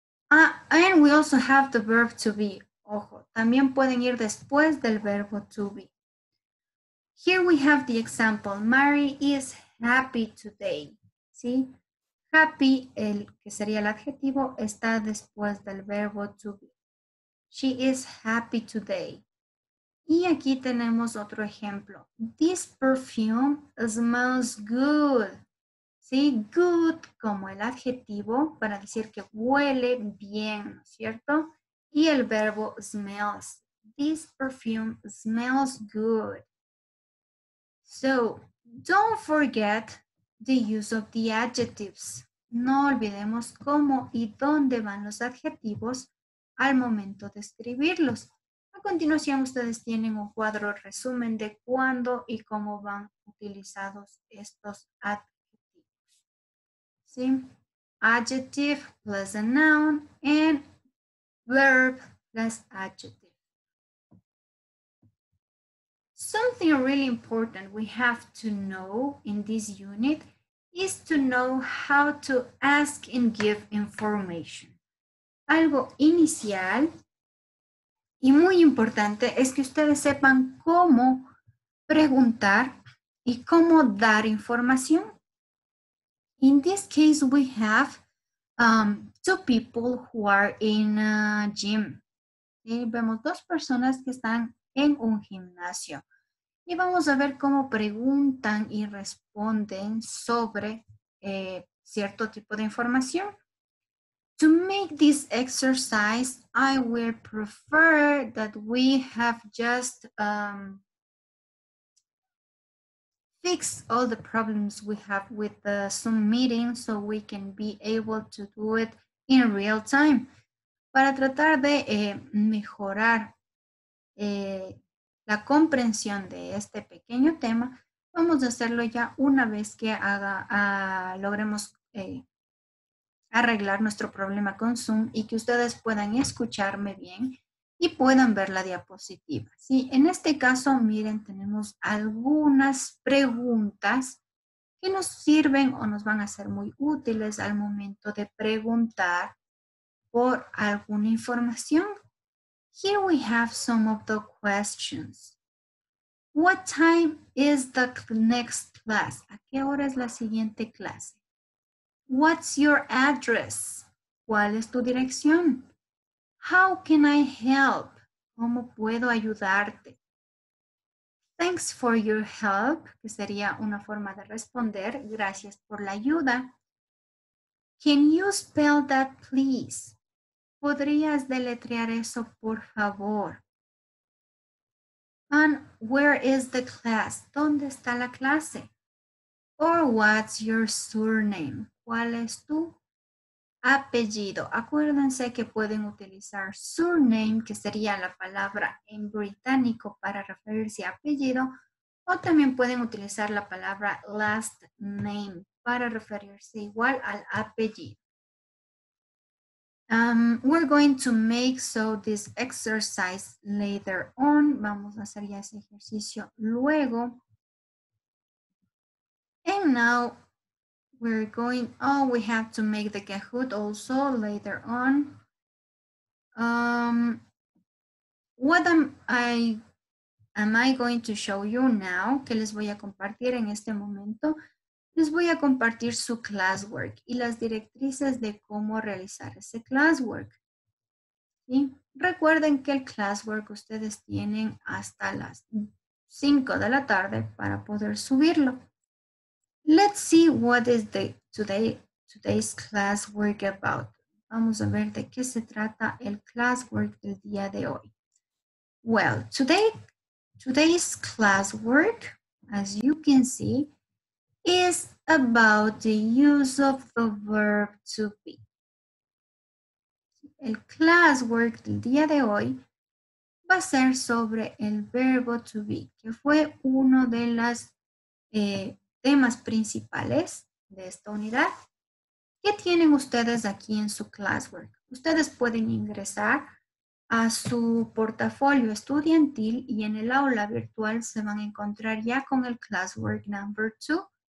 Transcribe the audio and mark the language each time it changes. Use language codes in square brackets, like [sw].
[en] and we also have the verb to be. [es] Ojo, también pueden ir después del verbo to be. [en] Here we have the example. Mary is happy today. ¿Sí? [es] Happy, el que sería el adjetivo, está después del verbo to be. [en] She is happy today. [es] Y aquí tenemos otro ejemplo. [en] This perfume smells good. ¿sí? [es] Good como el adjetivo para decir que huele bien, ¿no es cierto? Y el verbo smells. [en] This perfume smells good. So, don't forget the use of the adjectives. [es] No olvidemos cómo y dónde van los adjetivos al momento de escribirlos. A continuación, ustedes tienen un cuadro resumen de cuándo y cómo van utilizados estos adjetivos. ¿Sí? [en] Adjective plus a noun and verb plus adjective. Something really important we have to know in this unit is to know how to ask and give information. [es] Algo inicial y muy importante es que ustedes sepan cómo preguntar y cómo dar información. [en] In this case, we have two people who are in a gym. [es] ¿Sí? Vemos dos personas que están en un gimnasio. Y vamos a ver cómo preguntan y responden sobre cierto tipo de información. [en] To make this exercise, I will prefer that we have just fixed all the problems we have with the Zoom meeting so we can be able to do it in real time. [es] Para tratar de mejorar la comprensión de este pequeño tema, vamos a hacerlo ya una vez que logremos arreglar nuestro problema con Zoom y que ustedes puedan escucharme bien y puedan ver la diapositiva. ¿Sí? En este caso, miren, tenemos algunas preguntas que nos sirven o nos van a ser muy útiles al momento de preguntar por alguna información. [en] Here we have some of the questions. What time is the next class? [es] ¿A qué hora es la siguiente clase? [en] What's your address? [es] ¿Cuál es tu dirección? [en] How can I help? [es] ¿Cómo puedo ayudarte? [en] Thanks for your help, [es] que sería una forma de responder. Gracias por la ayuda. [en] Can you spell that, please? [es] ¿Podrías deletrear eso, por favor? [en] And where is the class? [es] ¿Dónde está la clase? [en] Or what's your surname? [es] ¿Cuál es tu apellido? Acuérdense que pueden utilizar surname, que sería la palabra en británico para referirse a apellido, o también pueden utilizar la palabra last name para referirse igual al apellido. [en] We're going to make so this exercise later on. [es] Vamos a hacer ya ese ejercicio luego. [en] And now we're going, oh, we have to make the Kahoot also later on. What am I going to show you now? [es] ¿Qué les voy a compartir en este momento? Les voy a compartir su classwork y las directrices de cómo realizar ese classwork. ¿Sí? Recuerden que el classwork ustedes tienen hasta las 5 de la tarde para poder subirlo. [en] Let's see what is the today's classwork about. [es] Vamos a ver de qué se trata el classwork del día de hoy. [en] Well, today's classwork, as you can see, is about the use of the verb to be. [es] El classwork del día de hoy va a ser sobre el verbo to be, que fue uno de los temas principales de esta unidad. ¿Qué tienen ustedes aquí en su classwork? Ustedes pueden ingresar a su portafolio estudiantil y en el aula virtual se van a encontrar ya con el classwork number 2.